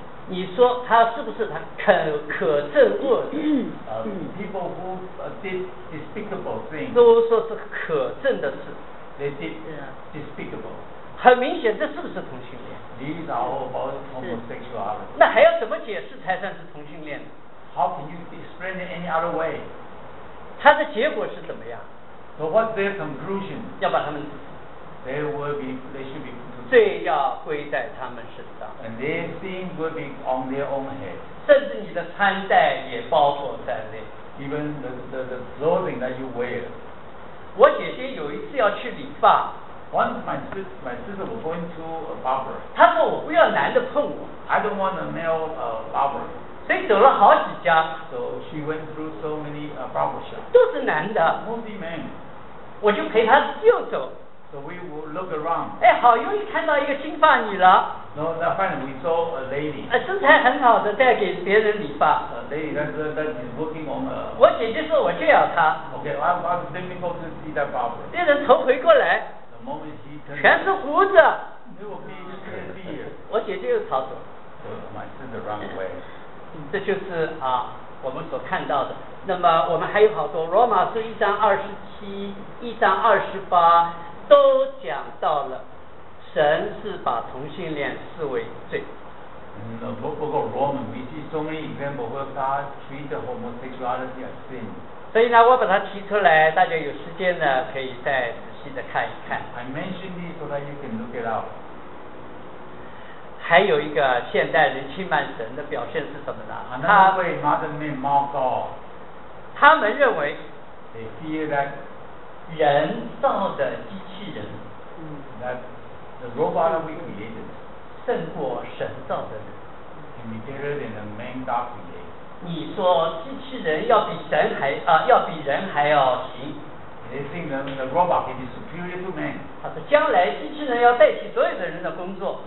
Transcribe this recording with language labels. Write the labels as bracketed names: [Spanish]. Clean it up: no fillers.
[Chinese] 你说他是不是他可憎恶的？ [English] People who did despicable things [Chinese] 都说是可憎的事。 [English] They did despicable. [Chinese] 很明显，这是不是同性恋 [English] ？These are all about homosexuality. [Chinese] 那还要怎么解释才算是同性恋 [English] ？How can you explain it any other way? [Chinese] 他的结果是怎么样 [English] ？So what's their conclusion? [Chinese] 要把他们。 [English] They should be put to [Chinese] 罪要归在他们身上。 [English] And their sin will be on their own head. [Chinese] 甚至你的穿戴也包括在内。 [English] Even the clothing that you wear. [Chinese] 我姐姐有一次要去理发。 [English] Once my sister was going to a barber. [Chinese] 她说我不要男的碰我。 [English] I don't want a male barber. [Chinese] 所以走了好几家。 [English] So she went through so many barber shops. [Chinese] 都是男的。 [English] Mostly men. [Chinese] 我就陪她又走。 [English] So we will look around. [Chinese] 哎，好容易看到一个金发女了。 [English] No, that finally we saw a lady. [Chinese] 身材很好的在给别人理发。 [English] A lady that is working on a. [Chinese] 我姐姐说我就要她。 [English] Okay, I was thinking to see that barber. [Chinese] 那人头回过来。 [English] The moment he turned. [Chinese] 全是胡子。 [English] They will be just a beard. [Chinese] 我姐姐又逃走。 [English] So my sister ran away. [Chinese] 这就是啊，我们所看到的。那么我们还有好多罗马书1:27, 1:28。都讲到了神是把同性恋视为罪。不过 [English] Roman, we see so many examples where God treated homosexuality as sin. [Chinese] 所以呢我把它提出来大家有时间呢可以再仔细的看一看。 [English] I mentioned it so that you can look it out. [Chinese] 还有一个现代人轻慢神的表现是什么呢 [English] Another way modern men mock God. [Chinese] 他们认为 [English] They fear that [Chinese] 人造的机器人 [English] that the robot that we created [Chinese] 胜过神造的人 [English] can be better than the man God created [Chinese] 你说机器人要比神还要比人还要行 [English] they think the robot can be superior to man [Chinese] 他说将来机器人要代替所有的人的工作